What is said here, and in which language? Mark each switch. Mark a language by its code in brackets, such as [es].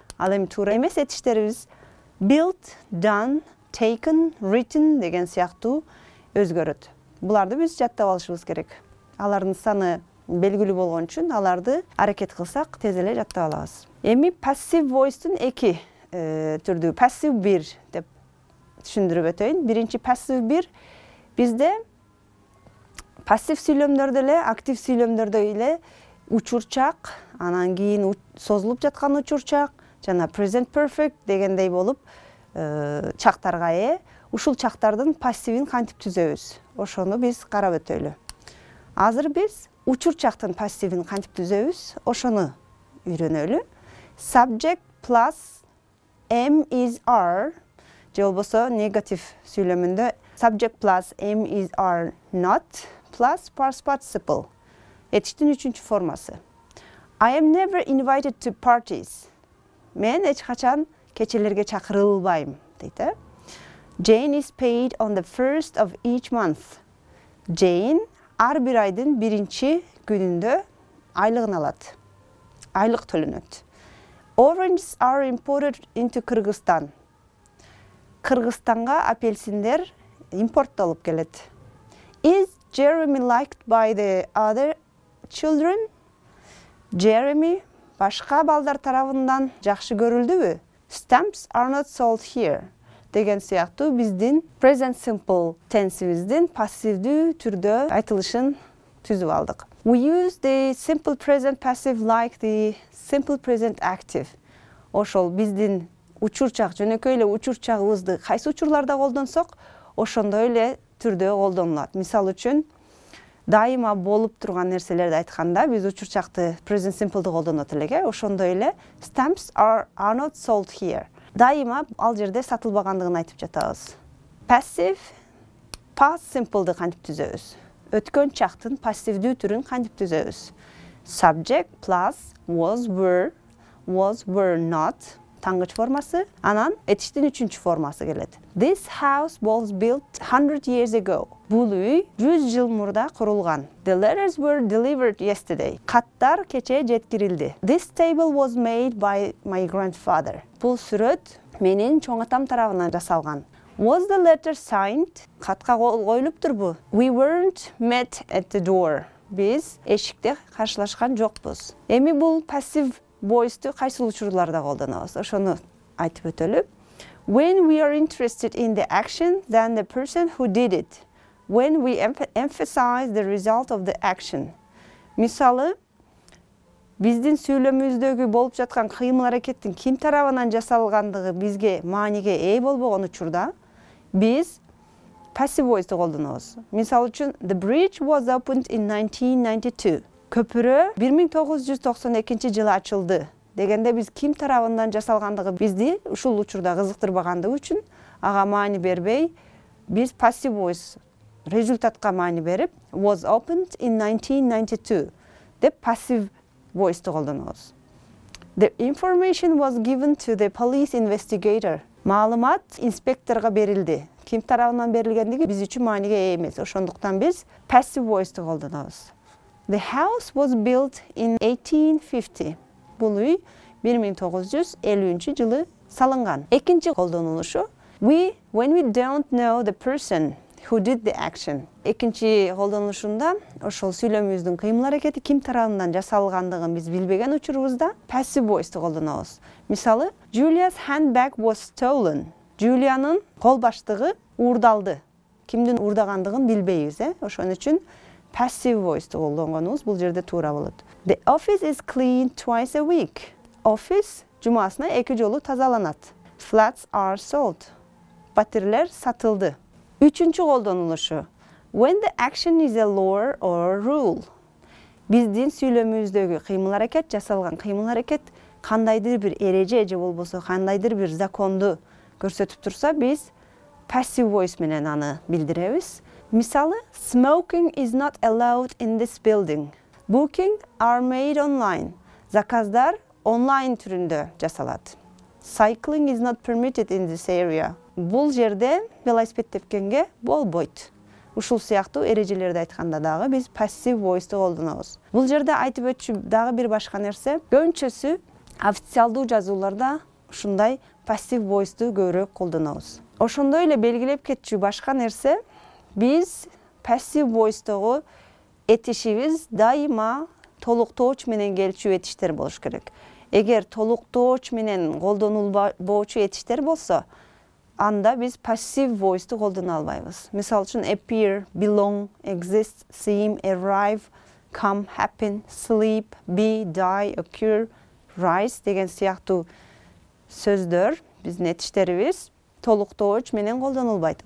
[ky] Ал эми туура эмес этиштерибиз built, done, taken, written деген сыяктуу өзгөрөт. Буларды биз жаттап алышыбыз керек. Алардын саны белгилүү болгон үчүн аларды аракет кылсак тез эле жаттап алабыз. Эми пассив voice-тун эки түрдүү. Пассив 1 деп түшүндүрүп өтөйүн. Биринчи пассив 1 бизде пассив сүйлөмдөрдө эле, актив сүйлөмдөрдө эле учурчак, анан кийин созулуп жаткан учурчак жана present perfect дегендей болуп чактарга ээ. Ушул чактардын пассивин кантип түзөбүз? Ошону биз карап өтөлү. Азыр биз учурчактын пассивин кантип түзөбүз? Ошону үйрөнөлү. [en] Subject plus am is are, [ky] же болбосо негатив сүйлөмүндө [en] subject plus am is are not plus past participle. [ky] Этиштин 3-чү формасы. [en] I am never invited to parties. [ky] Мен эч качан кечелерге чакырылбайм дейт, э? [en] Jane is paid on the first of each month. [ky] Jane ар бир айдын биринчи күнүндө айлыгын алат. Айлык төлөнөт. [en] Oranges are imported into Кыргызстан. [ky] Кыргызстанга апельсиндер импортталып келет. [en] Is Jeremy liked by the other children? [ky] Jeremy башка балдар тарабынан жакшы көрүлдүбү? [en] Stamps are not sold here. [ky] Деген сыяктуу биздин present simple tense-ибиздин пассивдүү түрдө айтылышын түзүп алдык. [en] We use the simple present passive like the simple present active. [ky] Ошол биздин учурчак жөнөкөй эле учурчагыбызды кайсы учурларда колдонсок, ошондой эле түрдө колдонулат. Мисалы үчүн дайыма болуп турган нерселерди айтканда биз учурчакты present simple-ды колдонот элек, ошондой эле [en] stamps are not sold here. [ky] Дайыма ал жерде сатылбагандыгын айтып жатабыз. Passive past simple-ды кантип түзөбүз? Өткөн чактын пассивдүү түрүн кантип түзөбүз? [en] Subject plus was were not [ky] таңгыч формасы, анан этиштин үчүнчү формасы келет. [en] This house was built 100 years ago. [ky] Бул үй 100 жыл мурда курулган. [en] The letters were delivered yesterday. [ky] Каттар кечээ жеткирилди. [en] This table was made by my grandfather. [ky] Бул сүрөт менин чоң атам тарабынан жасалган. [en] Was the letter signed? [ky] Катка кол коюлуптурбу? [en] We weren't met at the door. [ky] Биз эшикте каршылашкан жокпуз. Эми бул пассив voice-ту кайсыл учурларда колдонобуз? Ошону айтып өтөлү. [en] When we are interested in the action than the person who did it. When we emphasize the result of the action. [ky] Мисалы, биздин сүйлөмүбүздөгү болуп жаткан кыймыл аракеттин ким тарабынан жасалгандыгы бизге мааниге ээ болбогон учурда биз passive voice-ту колдонобуз. Мисалы үчүн, [en] the bridge was opened in 1992. [ky] Көпүрө 1992 жылы ачылды. Дегенде биз ким тарабынан жасалгандыгы бизди ушул учурда кызыктырбагандыгы үчүн ага маани бербей, биз passive voice результатка маани берип [en] was opened in 1992 [ky] деп passive voice-ту колдонобуз. [en] The information was given to the police investigator. [ky] Маалымат инспекторго берилди. Ким тарабынан берилгендиги биз үчүн мааниге ээ эмес. Ошондуктан биз passive voice-ту колдонобуз. [en] The house was built in 1850. [ky] Бул үй 1950 жылы салынган. Экинчи колдонулушу. [en] When we don't know the person who did the action. [ky] Экинчи колдонулушунда ошол сүйлөмүбүздүн кыймыл аракети ким тарабынан жасалгандыгын биз билбеген учурубузда passive voice-ту колдонобуз. [en] Мисалы, Julia's handbag was stolen. [ky] Julia'nın кол баштыгы уурдалды. Кимдин уурдагандыгын билбейбиз, ошон үчүн passive voice-ту колдонгонубуз бул жерде туура болот. [en] The office is cleaned twice a week. [ky] Office жумасына эки жолу тазаланат. [en] Flats are sold. [ky] Батирлер сатылды. Үчүнчү колдонулушу. [en] When the action is a law or a rule. [ky] Биздин сүйлөмүбүздөгү кыймыл аракет жасалган кыймыл аракет кандайдыр бир эреже же болбосо кандайдыр бир законду көрсөтүп турса, биз passive voice менен аны билдиребиз. [en] Мисалы, smoking is not allowed in this building. Booking are made online. [ky] Заказдар онлайн түрүндө жасалат. [en] Cycling is not permitted in this area. [ky] Бул жерде велосипед тепкенге болбойт. Ушул сыяктуу эрежелерди айтканда дагы биз passive voice-ту колдонобуз. Бул жерде айтып өтчү дагы бир башка нерсе, көнчөсү официалдуу жазууларда ушундай passive voice-ту көбүрөөк колдонобуз. Ошондой эле белгилеп кетчү башка нерсе, биз passive voice-тогу этишибиз дайыма толуктоочу менен келчү этиштер болуш керек. Эгер толуктоочу менен колдонулбоочу этиштер болсо, анда биз passive voice-ту колдоно албайбыз. Мисалы үчүн appear, belong, exist, seem, arrive, come, happen, sleep, be, die, occur, rise деген сыяктуу сөздөр биздин этиштерибиз толуктоочу менен колдонулбайт.